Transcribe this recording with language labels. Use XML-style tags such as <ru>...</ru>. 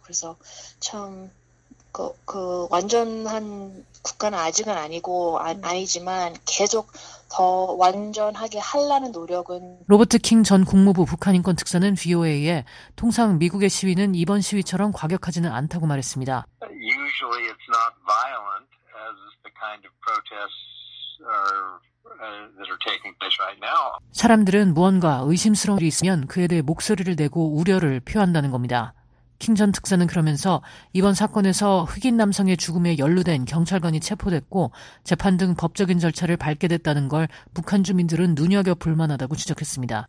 <ko>그래서 참 그 완전한 국가는 아직은 아니고 아니지만 계속 더 완전하게 하려는 노력은. 로버트 킹 전 국무부 북한인권특사는 VOA에 통상 미국의 시위는 이번 시위처럼 과격하지는 않다고 말했습니다.</ko> <en>Usually it's not violent as the kind of protests that are taking place right now.</en> <ko>사람들은 무언가 의심스러운 일이 있으면 그에 대해 목소리를 내고 우려를 표한다는 겁니다. 킹 전 특사는 그러면서 이번 사건에서 흑인 남성의 죽음에 연루된 경찰관이 체포됐고 재판 등 법적인 절차를 밟게 됐다는 걸 북한 주민들은 눈여겨 볼만하다고 지적했습니다.</ko>